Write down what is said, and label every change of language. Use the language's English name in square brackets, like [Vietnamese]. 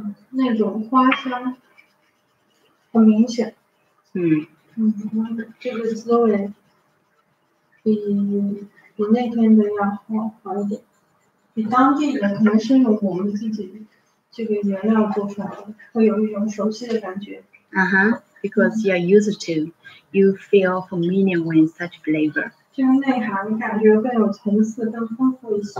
[Chinese] 那种花香很明显。这个滋味比那天的要好一点，比当地的可能是用我们自己这个原料做出来的，会有一种熟悉的感觉。 [English] Because you are used to, you feel familiar with such flavor. [Chinese] 就是内涵感觉更有层次，更丰富一些。